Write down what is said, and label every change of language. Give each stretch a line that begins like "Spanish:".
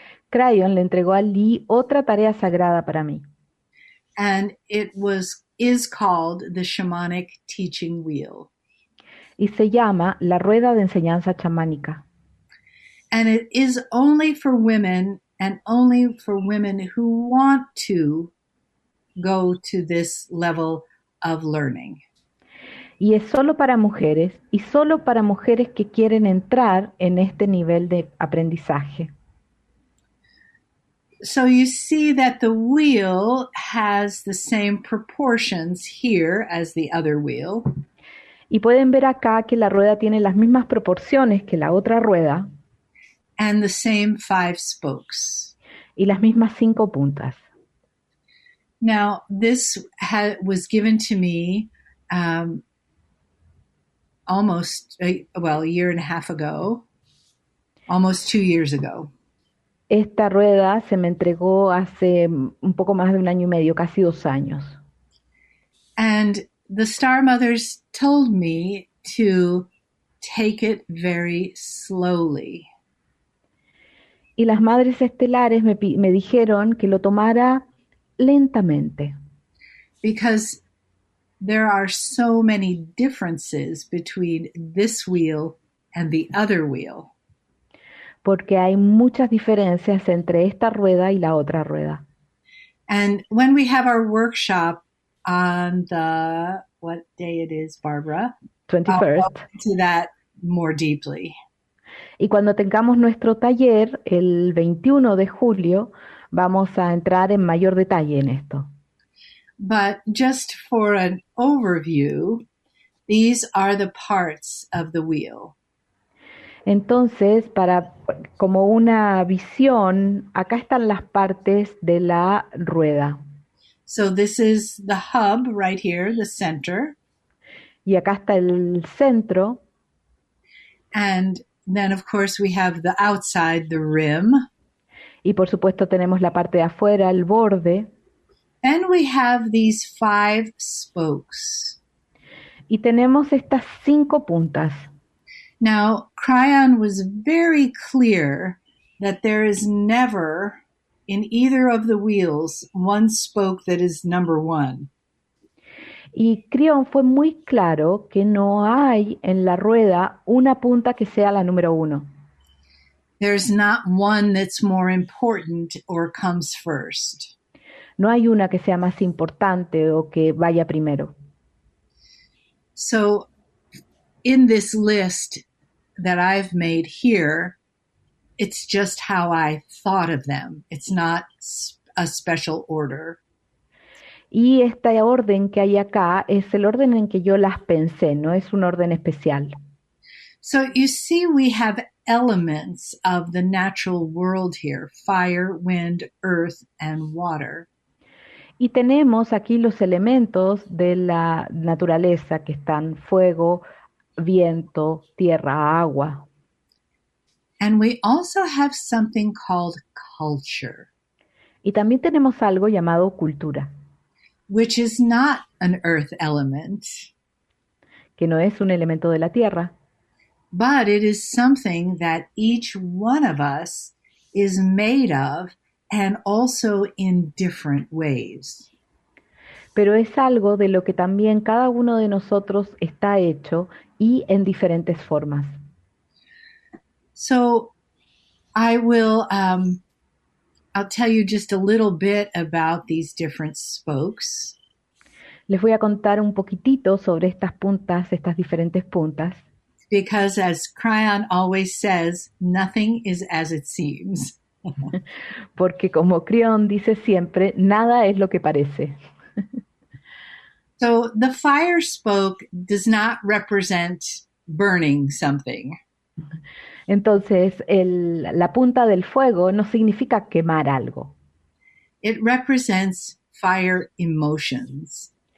Spanish: Cryon le entregó a Lee otra tarea sagrada para mí.
English: And it is called the Shamanic Teaching Wheel.
Spanish: Y se llama la rueda de enseñanza chamánica.
English: And it is only for women and only for women who want to go to this level of learning.
Spanish: Y es solo para mujeres y solo para mujeres que quieren entrar en este nivel de aprendizaje.
English: So you see that the wheel has the same proportions here as the other wheel.
Spanish: Y pueden ver acá que la rueda tiene las mismas proporciones que la otra rueda.
English: And the same five spokes.
Spanish: Y las mismas cinco puntas.
English: Now, this was given to me a year and a half ago, almost 2 years ago.
Spanish: Esta rueda se me entregó hace un poco más de un año y medio, casi 2 años.
English: And the Star Mothers told me to take it very slowly.
Spanish: Y las Madres Estelares me dijeron que lo tomara lentamente.
English: Because there are so many differences between this wheel and the other wheel.
Spanish: Porque hay muchas diferencias entre esta rueda y la otra rueda.
English: And when we have our workshop on the, what day it is, Barbara? 21st. I'll go into that more deeply.
Spanish: Y cuando tengamos nuestro taller, el 21 de julio, vamos a entrar en mayor detalle en esto.
English: But just for an overview, these are the parts of the wheel.
Spanish: Entonces, para como una visión, acá están las partes de la rueda.
English: So this is the hub right here, the center.
Spanish: Y acá está el centro.
English: And then, of course, we have the outside, the rim.
Spanish: Y por supuesto tenemos la parte de afuera, el borde.
English: And we have these five spokes.
Spanish: Y tenemos estas cinco puntas.
English: Now, Kreon was very clear that there is never in either of the wheels one spoke that is number one.
Spanish: Y Kreon fue muy claro que no hay en la rueda una punta que sea la número uno.
English: There's not one that's more important or comes first.
Spanish: No hay una que sea más importante o que vaya primero.
English: So, in this list that I've made here, it's just how I thought of them. It's not a special order.
Spanish: Y esta orden que hay acá es el orden en que yo las pensé, no es un orden especial.
English: So, you see, we have elements of the natural world here: fire, wind, earth, and water.
Spanish: Y tenemos aquí los elementos de la naturaleza que están fuego, viento, tierra, agua.
English: And we also have something called culture.
Spanish: Y también tenemos algo llamado cultura.
English: Which is not an earth element.
Spanish: Que no es un elemento de la tierra.
English: But it is something that each one of us is made of. And also in different ways.
Spanish: Pero es algo de lo que también cada uno de nosotros está hecho y en diferentes formas.
English: So I will I'll tell you just a little bit about these different spokes.
Spanish: Les voy a contar un poquitito sobre estas puntas, estas diferentes puntas.
English: Because as Kreon always says, nothing is as it seems.
Spanish: Porque como Kreon dice siempre, nada es lo que parece.
English: So the fire spoke does not represent burning something.
Spanish: Entonces, la punta del fuego no significa quemar algo.
English: It represents fire emotions.